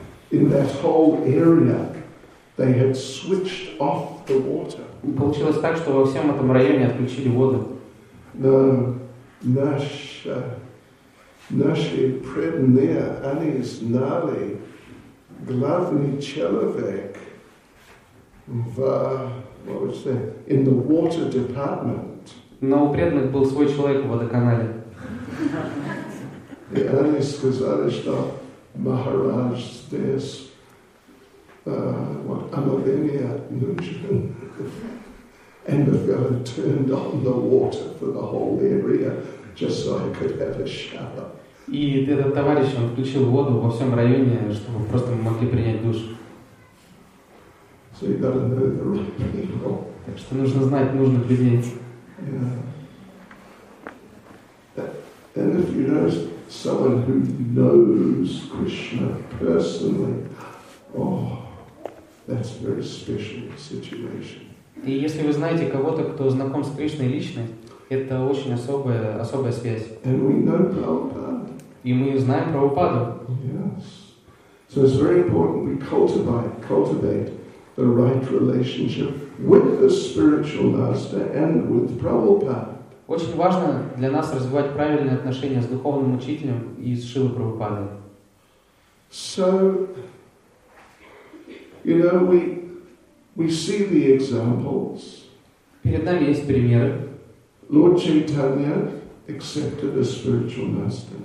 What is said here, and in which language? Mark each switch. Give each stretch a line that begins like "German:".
English: In that whole area, they had switched off the water.
Russian: Получилось так, что во всем этом районе отключили воду. Но наши преданные, они знали, главный человек в,
English: what was that,
Russian: in the water department. Но у преданных был свой человек в водоканале. И они сказали, что Махарадж здесь,
English: what,
Russian: омовение нужно.
English: And the fellow turned on the water for the whole area, just so I could have a shower.
Russian: И этот товарищ, он включил воду во всем районе, чтобы просто мы могли принять душ.
English: So you gotta know the right people.
Russian: Так что нужно знать нужных людей.
English: Yeah. And if you know someone who knows Krishna personally, oh, that's a very special situation.
Russian: И если вы знаете кого-то, кто знаком с Кришной лично, это очень особая связь.
English: And we know Prabhupada.
Russian: И мы знаем Прабхупаду.
English: Yes. So it's very important we cultivate the right relationship with the spiritual master and with Prabhupada.
Russian: Очень важно для нас развивать правильные отношения с духовным учителем и с Шрилой Прабхупадой.
English: So, you know, we see the examples.
Russian: Перед нами есть примеры.
English: Lord Chaitanya accepted a spiritual master.